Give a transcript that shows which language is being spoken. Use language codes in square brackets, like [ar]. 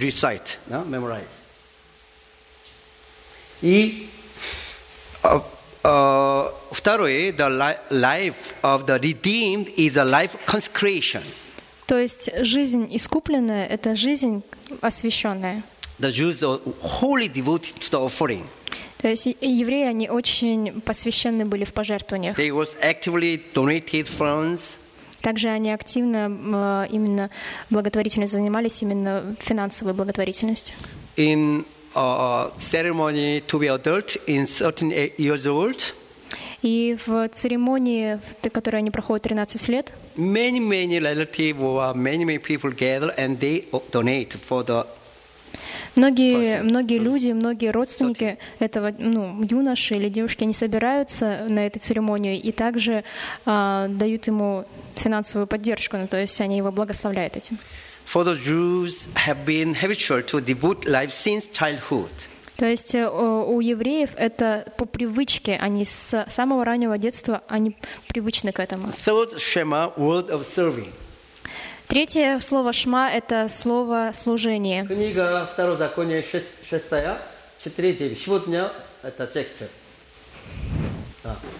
[en] Recite, [ru] да, [en] memorize. [ru] И второе, [en] the life of the redeemed is a life consecration. [ru] То есть жизнь искупленная – это жизнь освященная. [en] The Jews are wholly devoted to the offering. [ru] То есть евреи они очень посвящены были в пожертвованиях. [en] They was actively donated funds. [ru] Также они активно именно благотворительностью занимались именно финансовой благотворительностью. [en] In ceremony to be adult in 13 years old. [ru] И в церемонии, которую они проходят 13 лет, [en] many relatives or many people gather and they donate for the [ru] многие люди, многие родственники этого юноши или девушки, они собираются на эту церемонию и также дают ему финансовую поддержку, то есть они его благословляют этим. [en] For the Jews have been habitual to devote life since childhood. [ru] То есть у евреев это по привычке, они с самого раннего детства они привычны к этому. [en] Third shema, word of serving. [ru] Третье слово «шма» — это слово «служение». Книга Второзаконие, 6, 4, сегодня это текст. Да.